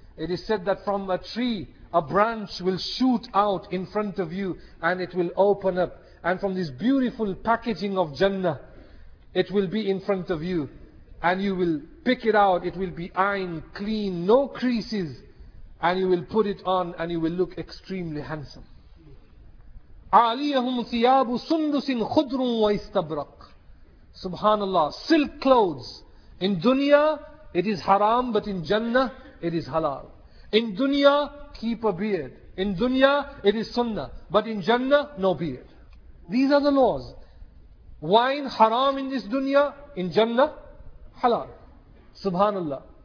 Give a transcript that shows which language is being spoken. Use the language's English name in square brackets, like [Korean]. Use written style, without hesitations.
[English] It is said that from a tree, a branch will shoot out in front of you and it will open up. And from this beautiful packaging of Jannah, it will be in front of you. And you will pick it out, it will be iron, clean, no creases. And you will put it on and you will look extremely handsome. [Arabic] عَلِيَهُمْ ثِيَابُ سُنْدُسٍ خُدْرٌ وَإِسْتَبْرَقٌ Subhanallah, [English] silk clothes. In dunya, it is haram, but in Jannah, it is halal. In dunya, keep a beard. In dunya, it is sunnah. But in Jannah, no beard. These are the laws. Wine, haram in this dunya. In Jannah, halal. Subhanallah.